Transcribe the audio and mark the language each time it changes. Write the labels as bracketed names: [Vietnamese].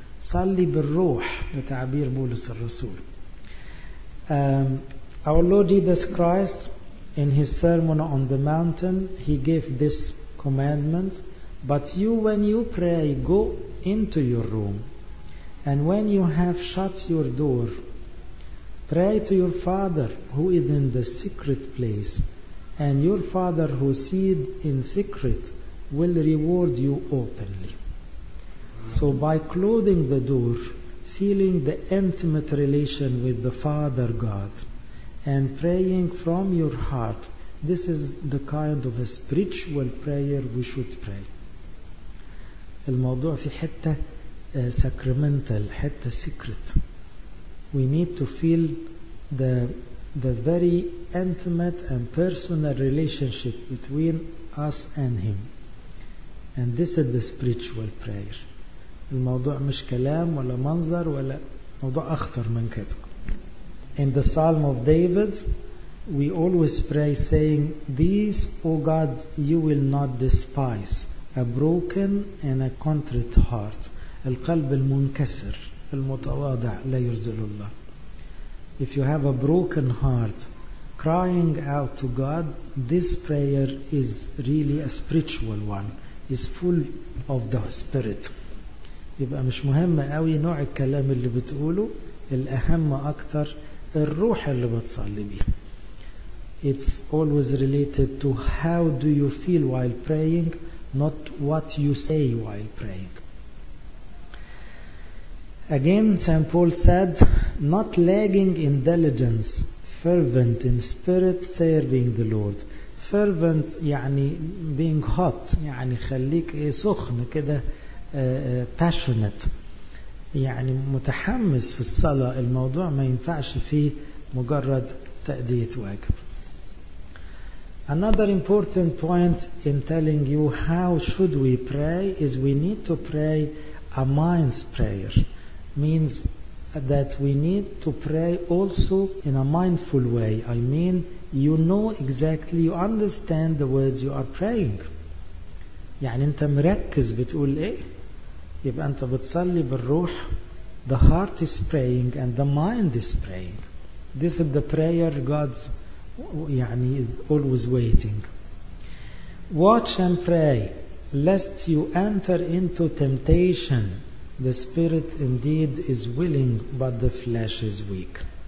[Arabic] Salli bil-ruh, [English] the [Arabic] ta'bir Bulus al-Rasul. [English] Our Lord Jesus Christ, in his sermon on the mountain, he gave this commandment, but you, when you pray, go into your room, and when you have shut your door, pray to your Father who is in the secret place, and your Father who sees in secret will reward you openly. So by closing the door, feeling the intimate relation with the Father God, and praying from your heart, this is the kind of a spiritual prayer we should pray. [Arabic] الموضوع في حتة sacramental, حتة secret. [English] We need to feel the very intimate and personal relationship between us and Him. And this is the spiritual prayer. [Arabic] الموضوع مش كلام ولا منظر ولا موضوع أخطر من كده. [English] In the Psalm of David, we always pray saying, "These, O God, you will not despise a broken and a contrite heart." [Arabic] القلب المنكسر المتواضع لا يرزل الله. [English] If you have a broken heart, crying out to God, this prayer is really a spiritual one. Is full of the Spirit. [Arabic] يبقى مش مهم قوي نوع الكلام اللي بتقوله، الأهم أكتر الروح اللي بتصلي بيه. [English] It's always related to how do you feel while praying, not what you say while praying. Again, St. Paul said, not lagging in diligence, fervent in spirit, serving the Lord. [Arabic] Fervent, يعني [English] being hot, [Arabic] يعني خليك سخن كده, passionate, يعني متحمس في الصلاة. الموضوع ما ينفعش فيه مجرد تأدية واجب. [English] Another important point in telling you how should we pray is we need to pray a mind's prayer. Means that we need to pray also in a mindful way. I mean, you know exactly, you understand the words you are praying. [Arabic] يعني انت مركز بتقول ايه؟ يبقى انت بتصلي بالروح. [English] The heart is praying and the mind is praying. This is the prayer God's يعني always waiting. Watch and pray lest you enter into temptation. The spirit indeed is willing, but the flesh is weak.